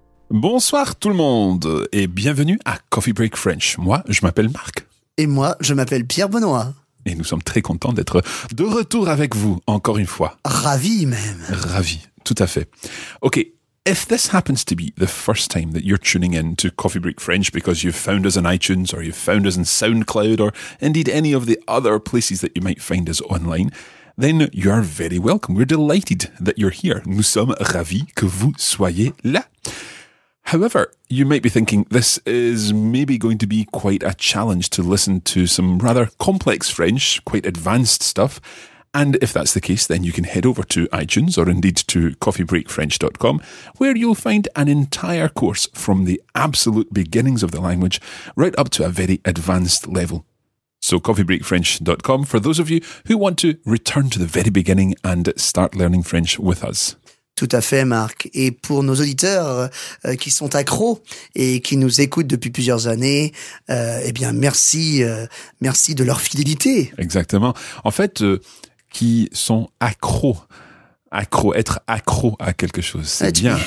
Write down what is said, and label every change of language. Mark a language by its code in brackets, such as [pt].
[fr] Bonsoir tout le monde et bienvenue à Coffee Break French. Moi, je m'appelle Marc. Et moi, je m'appelle Pierre Benoît. Et nous sommes très contents d'être de retour avec vous, encore une fois. Ravi même. Ravi, tout à fait. [en] Ok, if this happens to be the first time that you're tuning in to Coffee Break French because you've found us on iTunes or you've found us in SoundCloud or indeed any of the other places that you might find us online, then you are very welcome. We're delighted that you're here. [fr] Nous sommes ravis que vous soyez là. [en] However, you might be thinking this is maybe going to be quite a challenge to listen to some rather complex French, quite advanced stuff. And if that's the case, then you can head over to iTunes or indeed to coffeebreakfrench.com, where you'll find an entire course from the absolute beginnings of the language right up to a very advanced level. So coffeebreakfrench.com for those of you who want to return to the very beginning and start learning French with us. [fr] Tout à fait, Marc. Et pour nos auditeurs qui sont accros et qui nous écoutent depuis plusieurs années, eh bien, merci, merci de leur fidélité. Exactement. En fait, qui sont accros, accro, être accro à quelque chose, c'est bien.